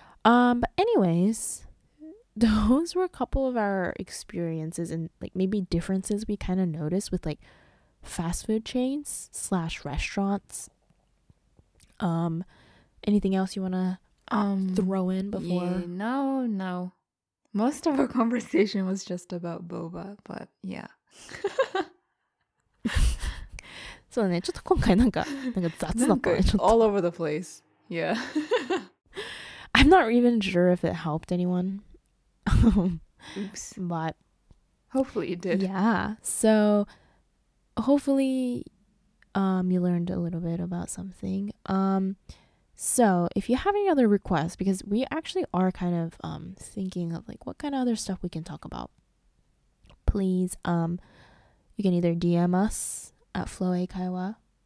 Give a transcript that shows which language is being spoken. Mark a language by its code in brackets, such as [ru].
[en] But anyways, those were a couple of our experiences and, like, maybe differences we kind of noticed with, like, fast food chains / restaurants. Anything else you want to throw in before? No. Most of our conversation was just about boba, but yeah. [ja] そうね、ちょっと今回なんか雑だったね、ちょっと。 [en] All over the place. Yeah. I'm not even sure if it helped anyone. Oops. But hopefully it did. Yeah. So hopefully you learned a little bit about something. So if you have any other requests, because we actually are kind of thinking of like what kind of other stuff we can talk about, please you can either DM us at Flow Aikaiwa.